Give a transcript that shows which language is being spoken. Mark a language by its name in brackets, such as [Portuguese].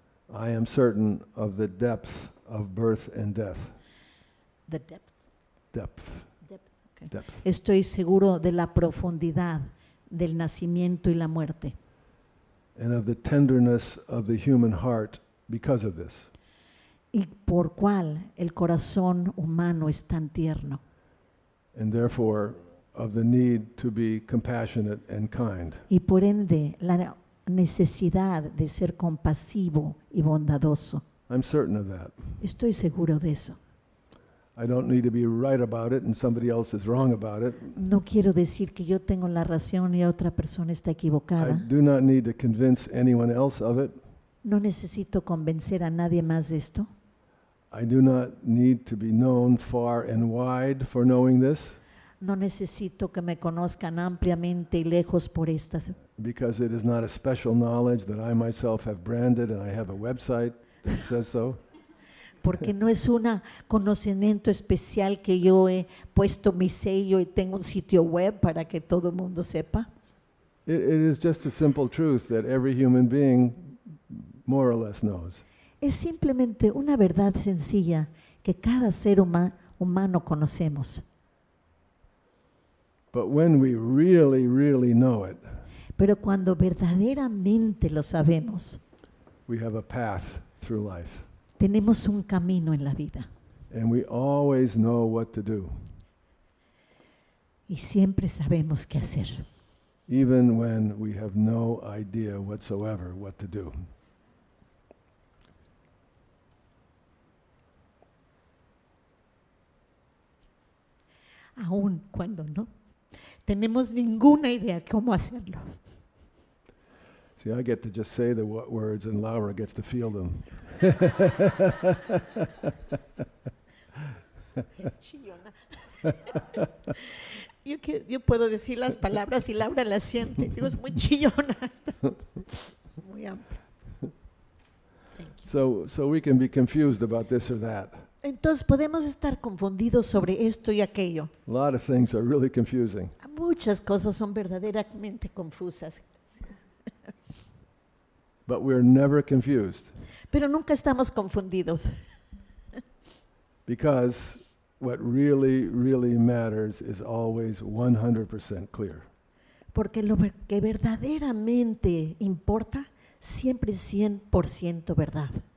[English] I am certain of the depth of birth and death. The depth. Depth. Depth. Okay. Depth. [Spanish] Estoy seguro de la profundidad del nacimiento y la muerte. [English] And of the tenderness of the human heart because of this. [Spanish] Y por cuál el corazón humano es tan tierno. [English] And therefore, of the need to be compassionate and kind. [Spanish] Y por ende, la necesidad de ser compasivo y bondadoso. [English] I'm certain of that. [Spanish] Estoy seguro de eso. [English] I don't need to be right about it and somebody else is wrong about it. [Spanish] No quiero decir que yo tengo la razón y otra persona está equivocada. [English] I do not need to convince anyone else of it. [Spanish] No necesito convencer a nadie más de esto. [English] I do not need to be known far and wide for knowing this. [Spanish] No necesito que me conozcan ampliamente y lejos por esto. [English] Because it is not a special knowledge that I myself have branded and I have a website that says so. [Spanish] Porque no es un conocimiento especial que yo he puesto mi sello y tengo un sitio web para que todo el mundo sepa. [English] It is just the simple truth that every human being more or less knows. [Spanish] Es simplemente una verdad sencilla que cada ser humano conocemos. [English] But when we really, really know it, [Spanish] pero cuando verdaderamente lo sabemos, [English] we have a path through life. [Spanish] Tenemos un camino en la vida. [English] And we always know what to do. [Spanish] Y siempre sabemos qué hacer. [English] Even when we have no idea whatsoever what to do. [Spanish] Aún cuando no tenemos ninguna idea cómo hacerlo. [English] See, I get to just say the words and Laura gets to feel them. [Spanish] Chillona. Yo puedo decir las palabras y Laura las siente. Digo, es muy chillona. Muy amplio. [English] So we can be confused about this or that. [Spanish] Entonces podemos estar confundidos sobre esto y aquello. [English] A lot of things are really confusing. [Spanish] Muchas cosas son verdaderamente confusas. [English] But we're never confused. [Spanish] Pero nunca estamos confundidos. [English] Because what really, really matters is always 100% clear. [Spanish] Porque lo que verdaderamente importa siempre es 100% verdad.